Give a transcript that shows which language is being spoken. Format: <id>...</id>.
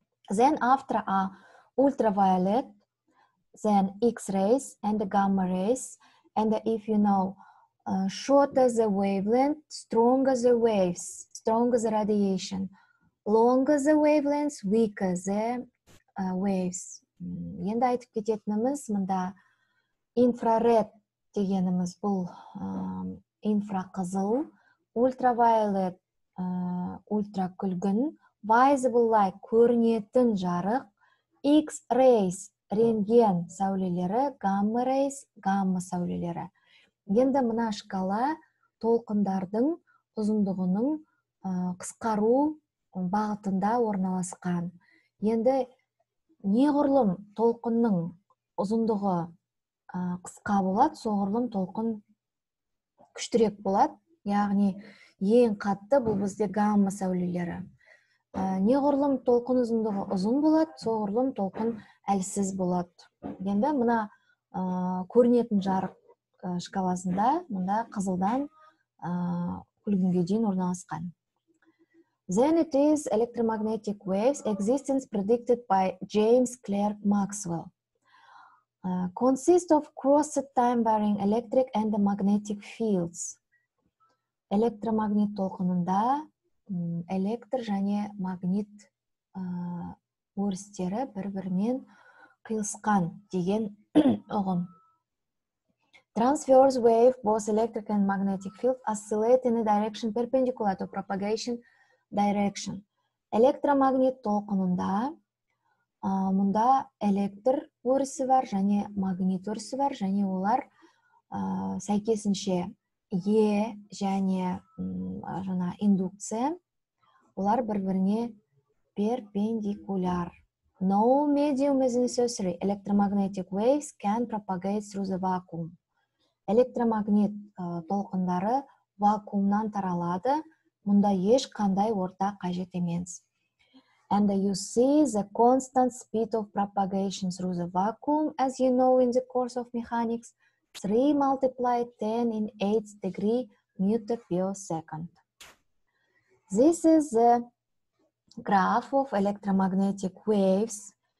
<en>Then after a ultraviolet, then X-rays and the gamma rays. And if you know, shorter the wavelength, stronger the waves, stronger the radiation. Longer the wavelengths, weaker the waves.</en> <kk>Енді айтып кететініміз, мында infrared дегеніміз бұл инфрақызыл, ультраviolet ультракүлгін, visible light көрінетін жарық, X-rays рентген сәулелері, gamma rays гамма сәулелері. Енді мына шкала толқындардың ұзындығының қысқару бағытында орналасқан. Енді неғұрлым толқынның ұзындығы қысқа болады, соғұрлым толқын күштірек болады. Яғни ең қатты бұл бізде гамма сәулелері. Неғұрлым толқын ұзындығы ұзын болады, соғұрлым толқын әлсіз болады. Енді мына көрінетін жарық шкаласында, мында қызылдан күлгінге дейін орналасқан.</kk> <en>Then it is electromagnetic waves, existence predicted by James Clerk Maxwell. Consist of crossed time-varying electric and magnetic fields.</en> <kk>Электромагнит толқынында электр және магнит өрістері бір-бірмен қиылысқан деген ұғым.</kk> <en>Transverse wave, both electric and magnetic field, oscillate in a direction perpendicular to propagation direction.</en> <kk>Электромагнит толқынында мұнда электр өрісі бар және магнит өрісі бар және олар сәйкесінше E және жаңа индукция. Олар бір-біріне перпендикуляр.</kk> <en>No medium is necessary. Electromagnetic waves can propagate through the vacuum.</en> <kk>Электромагнит толқындары вакуумнан таралады. Мұнда ешқандай орта қажет емес.</kk> <en>And you see the constant speed of propagation through the vacuum, as you know in the course of mechanics, 3 multiplied 10 in 8 degree meter per second. This is the graph of electromagnetic waves.</en>